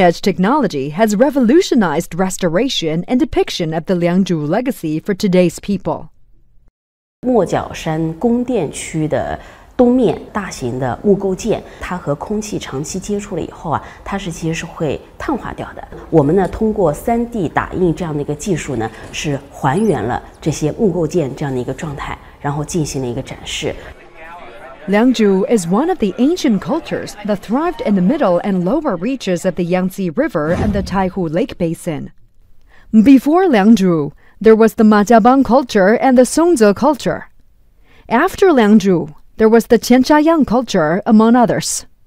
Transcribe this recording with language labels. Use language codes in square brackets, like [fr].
[en] edge technology has revolutionized restoration and depiction of the Liangzhu legacy for today's people. [zh] 墨角山宫殿区的东面大型的木构件，它和空气长期接触了以后啊，它是其实是会碳化掉的。我们呢，通过 3D 打印这样的一个技术呢，是还原了这些木构件这样的一个状态，然后进行了一个展示。Liangzhu [en] is one of the ancient cultures that thrived in the middle and lower reaches of the Yangtze River and the Taihu Lake Basin. Before Liangzhu, there was the Majabang culture and the Songzhe culture. After Liangzhu, there was the Qianxiayang culture, among others.